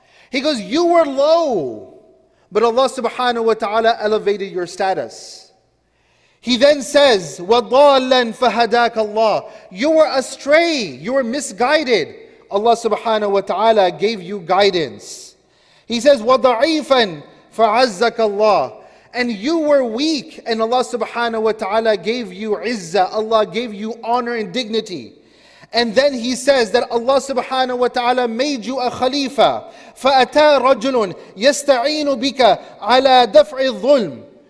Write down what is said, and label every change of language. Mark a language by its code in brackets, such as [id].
[en] He goes, you were low, but Allah subhanahu wa ta'ala elevated your status. He then says, [ar] وَضَالًا فَهَدَاكَ اللَّهِ. [en] You were astray, you were misguided. Allah subhanahu wa ta'ala gave you guidance. He says, [ar] وَضَعِيفًا فَعَزَّكَ اللَّهِ. [en] And you were weak, and Allah subhanahu wa ta'ala gave you izzah. Allah gave you honor and dignity. And then he says that Allah subhanahu wa ta'ala made you a khalifa. [ar] فَأَتَى رَجُلٌ يَسْتَعِينُ بِكَ عَلَى دَفْعِ الظُّلْمِ.